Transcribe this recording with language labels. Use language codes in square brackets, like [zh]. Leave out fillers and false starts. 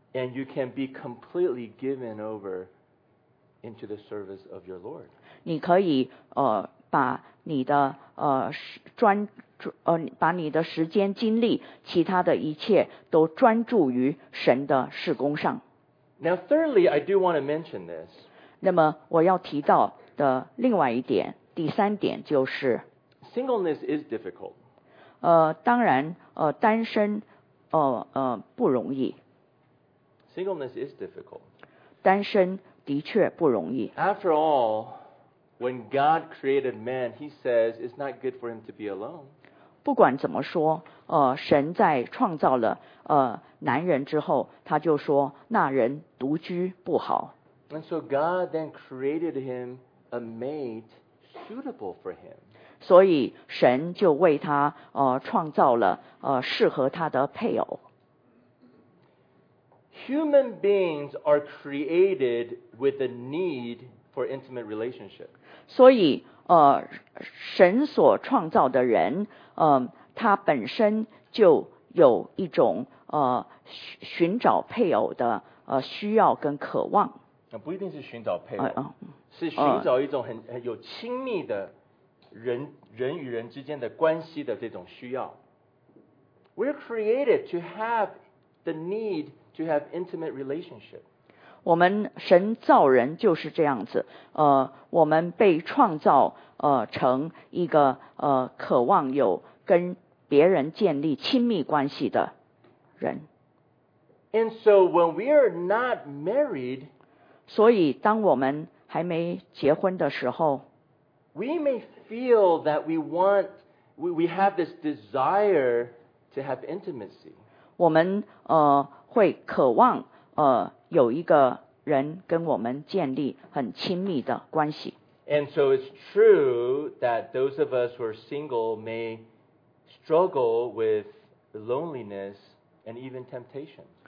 [en] And you can be completely given over into the service of your Lord. [zh] 你可以把你的专把你的时间精力其他的一切都专注于神的事工上。 [en] Now thirdly, I do want to mention this. [zh] 那么我要提到的另外一点，第三点就是 [en] singleness is difficult. [zh] 当然单身不容易。 [en] Singleness is difficult. [zh] 单身的确不容易。 [en] After all, when God created man, he says it's not good for him to be alone. [zh] 不管怎么说神在创造了男人之后，他就说那人独居不好。 [en] And so God then created him a mate suitable for him. [zh] 所以神就为他创造了适合他的配偶。 [en] Human beings are created with a need for intimate relationship. [zh] 所以神所创造的人他本身就有一种寻找配偶的需要跟渴望。不一定是寻找配偶，是寻找一种 很有亲密的人与人之间的关系的这种需要。 [en] We're created to have the need to have intimate relationship. [zh] 我们神造人就是这样子，我们被创造成一个渴望有跟别人建立亲密关系的人。 [en] And so when we are not married, [zh] 所以当我们还没结婚的时候， [en] we may feel that we have this desire to have intimacy. [zh] 我们会渴望有一个人跟我们建立很亲密的关系。 [en] And so it's true that those of us who are single may struggle with loneliness and even temptation.